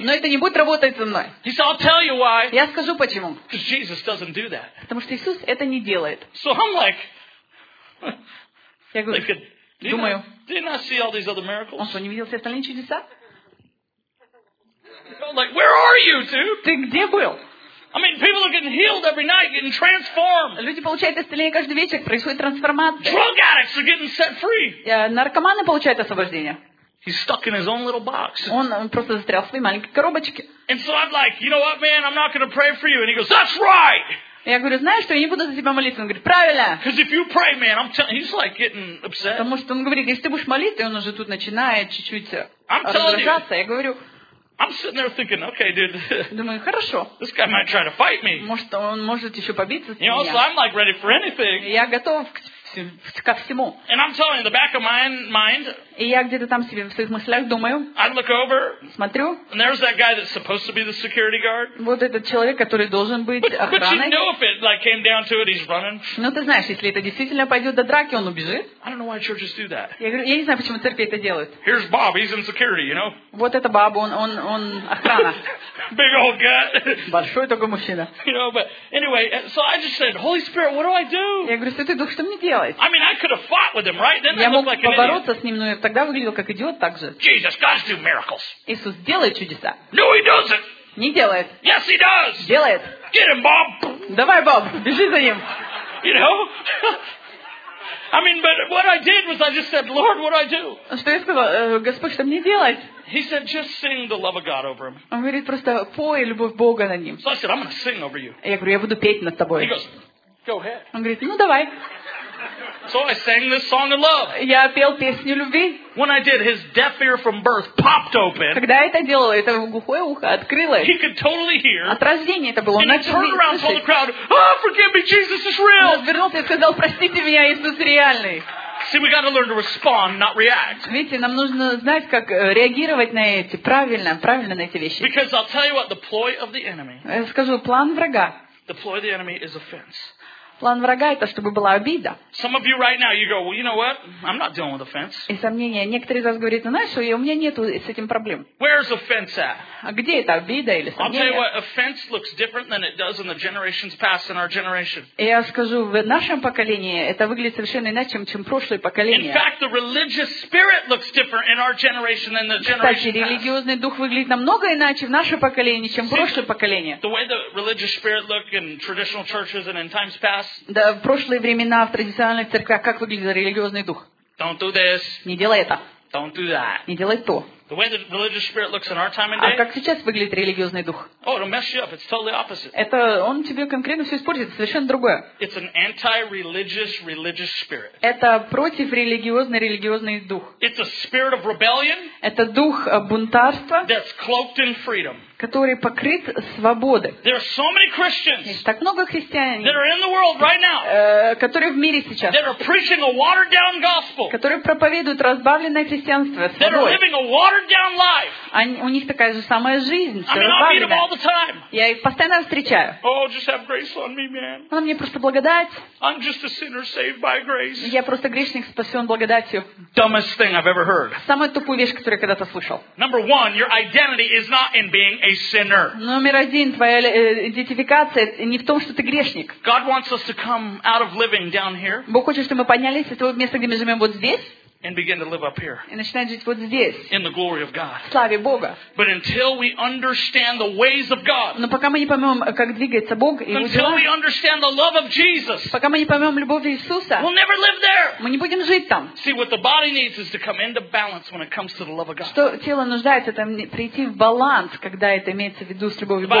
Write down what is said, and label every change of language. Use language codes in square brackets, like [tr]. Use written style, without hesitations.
[ru] Но это не будет работать со мной. [en] He said, I'll tell you why. [ru] Я скажу почему. [en] Because Jesus doesn't do that. [ru] Потому что Иисус это не делает. [en] So I'm like, [ru] я говорю, like, думаю. [en] Didn't I see all these other miracles? [ru] Он что, не видел все остальные чудеса? [en] I'm like, where are you, dude? [ru] Ты где был? [en] I mean, people are getting healed every night, getting transformed. [ru] Люди получают исцеление каждый вечер, происходит трансформация. [en] Drug addicts are getting set free. [ru] Наркоманы получают освобождение. [en] He's stuck in his own little box. [ru] Он просто застрял в своей маленькой коробочке. [en] And so I'm like, you know what, man? I'm not going to pray for you. And he goes, that's right. [ru] Я говорю, знаешь что, я не буду за тебя молиться. Он говорит, правильно. [en] Because if you pray, man, I'm telling you, he's like getting upset. [ru] Потому что он говорит, если ты будешь молиться, он уже тут начинает чуть-чуть раздражаться. Я говорю. [en] I'm sitting there thinking, okay, dude. [ru] Думаю, хорошо. [en] This guy might try to fight me. [ru] Может, он может еще побиться с меня. [en] You know, so I'm like ready for anything. [ru] Я готов ко всему. [en] And I'm telling you, in the back of my mind. [ru] И я где-то там себе в своих мыслях думаю. [en] I look over. [ru] Смотрю. [en] And there's that guy that's supposed to be the security guard. [ru] Вот этот человек, который должен быть охраной. [en] But you know if it like came down to it, he's running. [ru] Ну ты знаешь, если это действительно пойдет до драки, он убежит. [en] I don't know why churches do that. [ru] Я говорю, я не знаю, почему церкви это делают. [en] Here's Bob, he's in security, you know. [ru] Вот это Боб, он охрана. [en] Big old guy. [ru] Большой такой мужчина. [en] You know, but anyway, so I just said, Holy Spirit, what do I do? [ru] Я говорю, Святой Дух, что мне делать? [en] I mean, I could have fought with him, right? Then [ru] я мог побороться с ним, но тогда выглядел как идиот так же. [en] Jesus, God's doing miracles. [ru] Иисус делает чудеса. [en] No, he doesn't. [ru] Не делает. [en] Yes, he does. [ru] Делает. [en] Get him, Bob. [ru] Давай, Боб, бежи за ним. [en] You know? I mean, but what I did was I just said, Lord, what do I do? [ru] Что я сказал? Господь, что мне делать? [en] He said, just sing the love of God over him. [ru] Он говорит, просто пой любовь Бога над ним. [en] So I said, I'm going to sing over you. [ru] Я говорю, я буду петь над тобой. [en] He goes, go ahead. [ru] Он говорит, ну давай. [en] So I sang this song of love. [ru] Я пел песню любви. [en] When I did, his deaf ear from birth popped open. [ru] Когда я это делал, это глухое ухо открылось. [en] He could totally hear. [ru] От рождения это было. [en] And he turned around and told the crowd, "Oh, forgive me, Jesus is real." [ru] Он развернулся и сказал, "Простите меня, Иисус реальный." [en] See, we got to learn to respond, not react. [ru] Видите, нам нужно знать, как реагировать на эти правильно на эти вещи. [en] Because I'll tell you what, the ploy of the enemy. [ru] Я скажу план врага. [en] The ploy of the enemy is offense. [ru] План врага это, чтобы была обида. [en] Some of you right now, you go, well, you know what? I'm not dealing with offense. [ru] И сомнения. Некоторые из вас говорят, ну, знаешь, у меня нету с этим проблем. [en] Where's offense at? [ru] А где эта обида или сомнение? [en] I'll tell you what, offense looks different than it does in the generations past in our generation. [ru] И я скажу, в нашем поколении это выглядит совершенно иначе, чем прошлое поколение. [en] In fact, the religious spirit looks different in our generation than the generation past. [ru] Кстати, религиозный дух выглядит намного иначе в наше поколение, чем прошлое поколение. [en] The way the religious spirit looked in traditional churches and in times past. [ru] Да, в прошлые времена в традиционных церквях как выглядел религиозный дух? [en] Don't do this. [ru] Не делай это. [en] Don't do that. [ru] Не делай то. [en] The way the religious spirit looks in our time and day. [ru] А как сейчас выглядит религиозный дух? [en] Oh, it'll mess you up. It's totally opposite. [ru] Это он тебе конкретно все испортит, это совершенно другое. [en] It's an anti-religious religious spirit. [ru] Это против религиозный дух. [en] It's a spirit of rebellion. [ru] Это дух бунтарства. [en] That's cloaked in freedom. [ru] Который покрыт свободой. [en] There are so many Christians. [ru] Есть так много христиан. [en] That are in the world right now. [ru] Которые в мире сейчас. [en] That are preaching a watered down gospel. [ru] Которые проповедуют разбавленное христианство свободой. [en] That are living a watered down life. [ru] Они у них такая же самая жизнь, все разбавленное. Я их постоянно встречаю. [en] Oh, just have grace on me, man. [ru] Он мне просто благодать. [en] I'm just a sinner saved by grace. [ru] Я просто грешник, спасен благодатью. [en] Dumbest thing I've ever heard. [ru] Самая тупая вещь, которую я когда-то слышал. [en] Number one, your identity is not in being a sinner. [ru] Номер один, твоя идентификация не в том, что ты грешник. [en] God wants us to come out of living down here. [ru] Бог хочет, чтобы мы поднялись из того места, где мы живем, вот здесь. [en] And begin to live up here. [ru] И начинать жить вот здесь. [en] In the glory of God. [ru] В славе Бога. [en] But until we understand the ways of God. [ru] Но пока мы не поймем, как двигается Бог и его дела. [en] Until we understand the love of Jesus. [ru] Пока мы не поймем любовь Иисуса. [en] We'll never live there. [ru] Мы не будем жить там. [en] See what the body needs is to come into balance when it comes to the love of God. [ru] Что тело нуждается, это прийти в баланс, когда это имеется в виду с любовью Бога.